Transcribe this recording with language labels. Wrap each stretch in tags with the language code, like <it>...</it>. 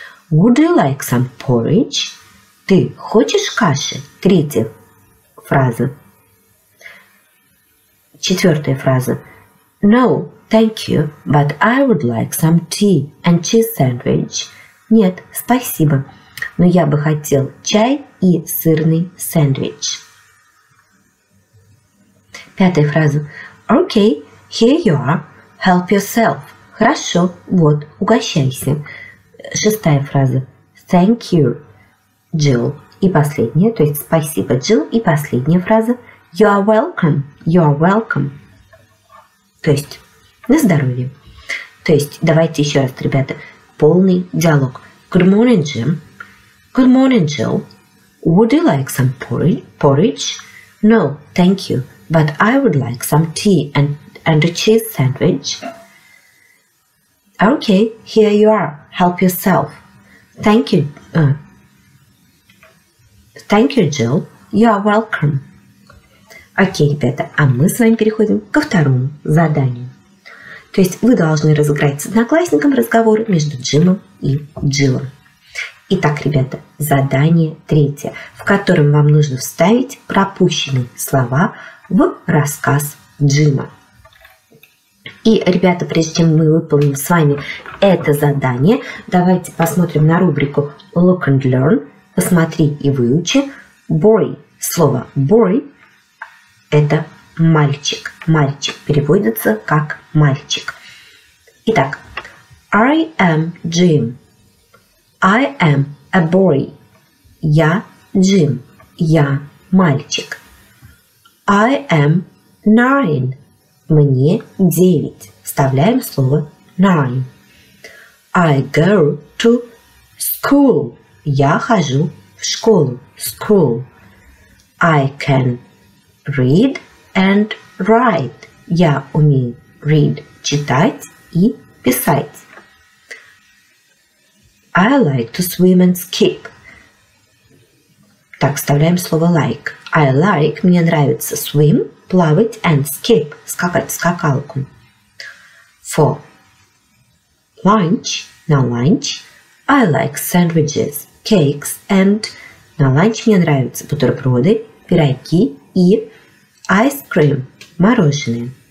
<en>Would you like some porridge?</en> <ru>Ты хочешь каши? Третья фраза. Четвертая фраза.</ru> <en>No, thank you, but I would like some tea and cheese sandwich.</en> <ru>Нет, спасибо, но я бы хотел чай и сырный сэндвич. Пятая фраза.</ru> <en>Okay, here you are. Help yourself.</en> <ru>Хорошо, вот, угощайся. Шестая фраза.</ru> <en>Thank you, Jill.</en> <ru>И последняя, то есть спасибо, Jill. И последняя фраза.</ru> <en>You are welcome. You are welcome.</en> <ru>То есть на здоровье. То есть давайте еще раз, ребята, полный диалог.</ru> <en>Good morning, Jim. Good morning, Jill. Would you like some porridge? No, thank you. But I would like some tea and a cheese sandwich. Okay, here you are. Help yourself. Thank you. Thank you, Jill. You are welcome.</en> <ru>Окей, ребята, а мы с вами переходим ко второму заданию. То есть вы должны разыграть с одноклассником разговор между Джимом и Джиллом. Итак, ребята, задание третье, в котором вам нужно вставить пропущенные слова в рассказ Джима. И, ребята, прежде чем мы выполним с вами это задание, давайте посмотрим на рубрику Look and Learn. Посмотри и выучи. Boy. Слово boy – это мальчик. Мальчик переводится как мальчик.</ru> <en>Итак, I am Jim. I am a boy.</en> <ru>Я Джим. Я мальчик.</ru> <en>I am nine.</en> <ru>Мне 9. Вставляем слово nine.</ru> <en>I go to school.</en> <ru>Я хожу в школу.</ru> <en>School. I can read and write.</en> <ru>Я умею read, читать и писать.</ru> <en>I like to swim and skip.</en> <ru>Так, вставляем слово like.</ru> <en>I like,</en> <ru>мне нравится swim, плавать, and skip, скакать, скакалку.</ru> <en>For lunch, на lunch, I like sandwiches, cakes, and на lunch</en> <ru>мне нравятся бутерброды, пироги и</ru> <en>ice cream, мороженое.</en>